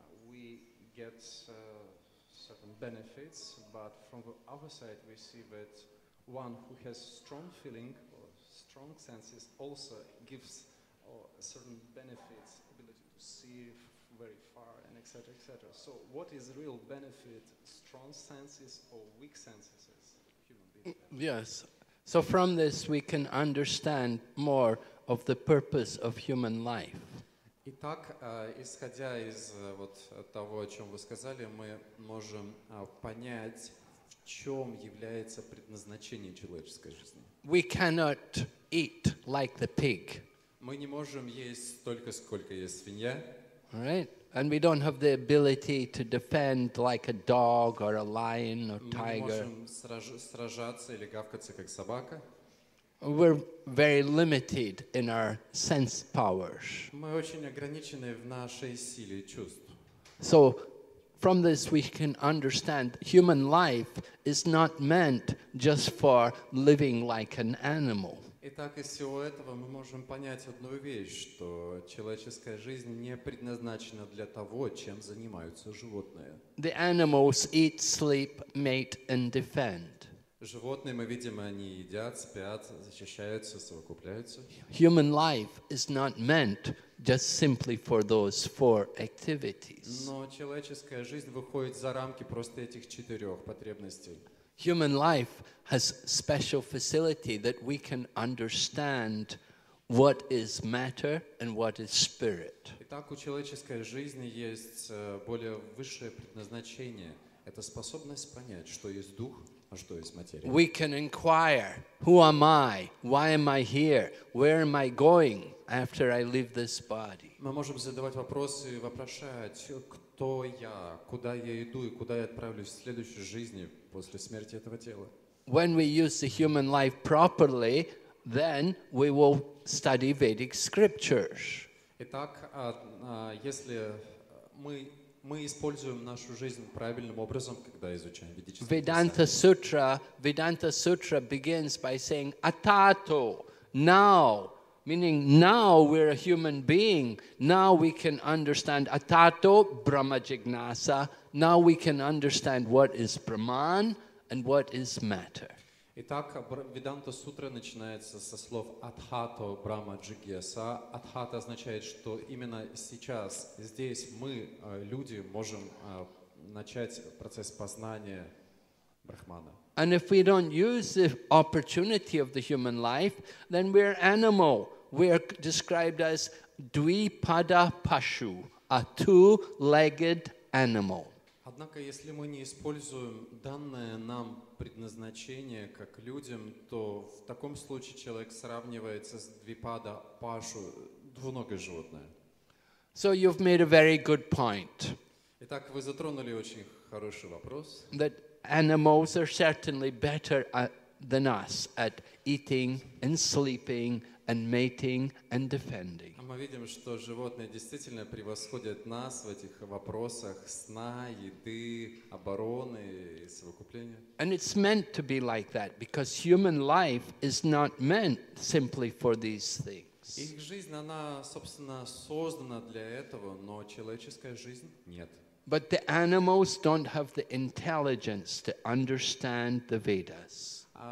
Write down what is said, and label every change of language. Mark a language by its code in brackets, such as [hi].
[en] we get certain benefits, but from the other side we see that one who has strong feeling or strong senses also gives or certain benefits, ability to see very far and et cetera, et cetera. So what is real benefit, strong senses or weak senses as human beings? Yes. So from this we can understand more of the purpose of human life. [ru] Итак, исходя из вот того, о чем вы сказали, мы можем понять, в чем является предназначение человеческой жизни. [en] We cannot eat like the pig. [ru] Мы не можем есть столько, сколько есть свинья. [en] Right? And we don't have the ability to defend like a dog or a lion or tiger. [ru] Мы не можем сражаться или гавкаться как собака. [en] We're very limited in our sense powers. [ru] Мы очень ограничены в нашей силе чувств. [en] So from this we can understand human life is not meant just for living like an animal. [ru] Итак, из всего этого мы можем понять одну вещь, что человеческая жизнь не предназначена для того, чем занимаются животные. [en] The animals eat, sleep, mate, and defend. [ru] Животные, мы видим, они едят, спят, защищаются, совокупляются. [en] Human life is not meant just simply for those four activities. [ru] Но человеческая жизнь выходит за рамки просто этих четырех потребностей. [en] Human life has special facility that we can understand what is matter and what is spirit. [ru] Итак, у человеческой жизни есть более высшее предназначение. Это способность понять, что есть дух, а что есть материя. [en] We can inquire, who am I? Why am I here? Where am I going after I leave this body? [ru] Мы можем задавать вопросы и вопрошать, кто я, куда я иду и куда я отправлюсь в следующей жизни после смерти этого тела. [en] When we use the human life properly, then we will study Vedic scriptures. [ru] Итак, если мы используем нашу жизнь правильным образом, когда изучаем ведические [en] Vedanta Sutra, Vedanta Sutra begins by saying atato, now. Meaning, now we're a human being. Now we can understand atato, brahma jignasa. Now we can understand what is brahman and what is matter. [ru] Итак, Веданта Сутра начинается со слов атхато, брахма джигьяса. Атхато означает, что именно сейчас, здесь мы, люди, можем начать процесс познания брахмана. [en] And if we don't use the opportunity of the human life, then we're animal. We are described as двіпада пашу, a two-legged animal. [ru] Однако, если мы не используем данное нам предназначение как людям, то в таком случае человек сравнивается с двипада пашу, двуногое животное. [en] So you've made a very good point. [ru] Итак, вы затронули очень хороший вопрос. [en] That animals are certainly better than us at eating and sleeping and mating and defending. [ru] Мы видим, что животные действительно превосходят нас в этих вопросах сна, еды, обороны и совокупления. [en] And it's meant to be like that because human life is not meant simply for these things. [ru] Их жизнь, она, собственно, создана для этого, но человеческая жизнь нет. [en] But the animals don't have the intelligence to understand the Vedas.